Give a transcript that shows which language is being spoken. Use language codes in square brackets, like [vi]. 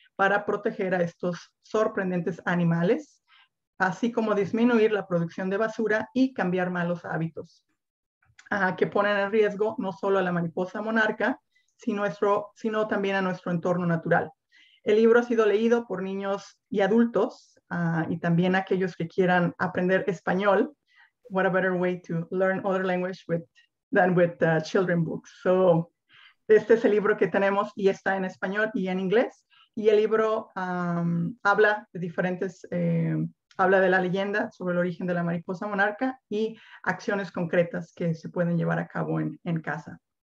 [es] para proteger a estos sorprendentes animales, así como disminuir la producción de basura y cambiar malos hábitos que ponen en riesgo no solo a la mariposa monarca, sino también a nuestro entorno natural. El libro ha sido leído por niños y adultos y también aquellos que quieran aprender español. [en] What a better way to learn other language than with children books. [es] So, este es el libro que tenemos y está en español y en inglés. Y el libro habla de habla de la leyenda sobre el origen de la mariposa monarca y acciones concretas que se pueden llevar a cabo en casa.